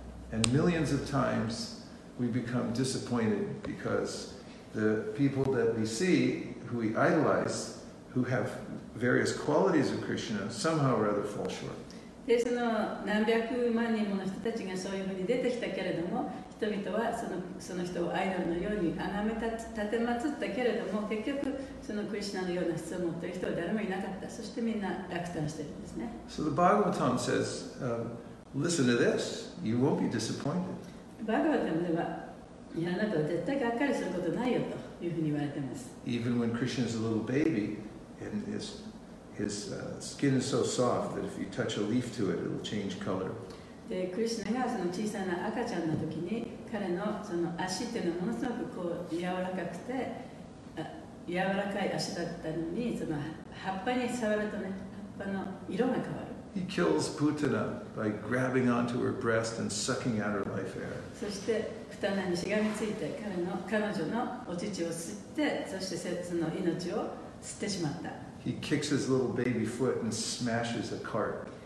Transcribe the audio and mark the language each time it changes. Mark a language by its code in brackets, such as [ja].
[en] And millions of times we become disappointed because the people that we see, who we idolize, who have various qualities of Krishna, somehow or other fall short. [ja] で、その何百万人もの人たちがそういうふうに出てきたけれども、人々はその人をアイドルのように崇め立てまつったけれども、結局そのクリシュナのような質を持っている人は誰もいなかった。そしてみんな落胆しているんですね。 [en] So the Bhagavatam says, listen to this, you won't be disappointed. [ja] Bhagavatam では、あなたは絶対がっかりすることないよというふうに言われています。 [en] Even when Krishna is a little baby,And his skin is so soft that if you touch a leaf to it, it will change color. [ja] で、クリシュナがその小さな赤ちゃんの時に、彼のその足っていうのはものすごくこう柔らかくて、柔らかい足だったのに、その葉っぱに触るとね、葉っぱの色が変わる。 [en] He kills Putana by grabbing onto her breast and sucking out her life air. [ja] そして、プタナにしがみついて、彼女のお乳を吸って、そしてその命を吸ってしまった。 [en] He kicks his little baby foot and smashes a cart.